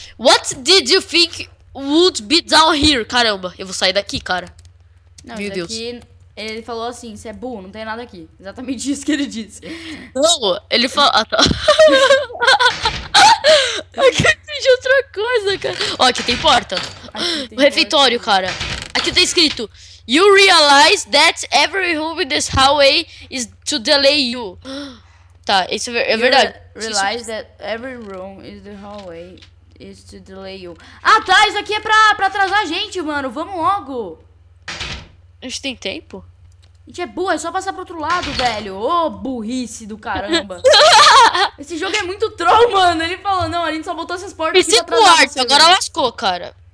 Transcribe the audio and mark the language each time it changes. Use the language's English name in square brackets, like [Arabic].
[English] What did you think would be down here? [Portuguese] Caramba, eu vou sair daqui, cara. Não, meu Deus. Aqui, ele falou assim, você é burro, não tem nada aqui. Exatamente isso que ele disse. Não, ele falou... Ah, tá. Aqui existe outra coisa, cara. Ó, aqui tem porta. Aqui tem refeitório, porta. Cara. Aqui tá escrito... [English] You realize that every room in this hallway is to delay you. [Portuguese] Tá, isso é verdade. [English] You realize that every room in the hallway is to delay you. [Portuguese] Ah, tá, isso aqui é pra atrasar a gente, mano. Vamos logo. A gente tem tempo? A gente é burro, é só passar pro outro lado, velho. Ô, burrice do caramba. Esse jogo é muito troll, mano. Ele falou, não, a gente só botou essas portas aqui pra atrasar você. Agora lascou, cara.